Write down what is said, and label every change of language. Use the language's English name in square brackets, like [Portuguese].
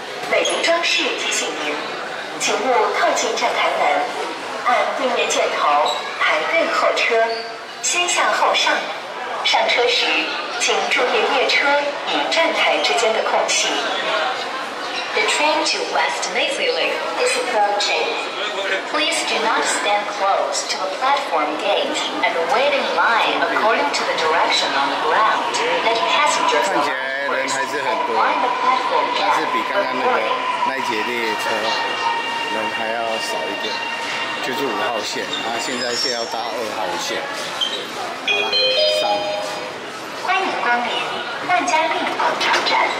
[Chinese] 北平庄市提醒您，请勿靠近站台门，按地面箭头排队候车，先下后上。上车时，请注意列车与站台之间的空隙。 [English] The train to West Maysville is approaching. Please do not stand close to the platform gate and wait in line according to the direction on the ground. Let passengers on board find the platform gate according to the direction. [Chinese] 就是五号线，然后现在是要搭二号线。好了，上了。欢迎光临万家丽广场站。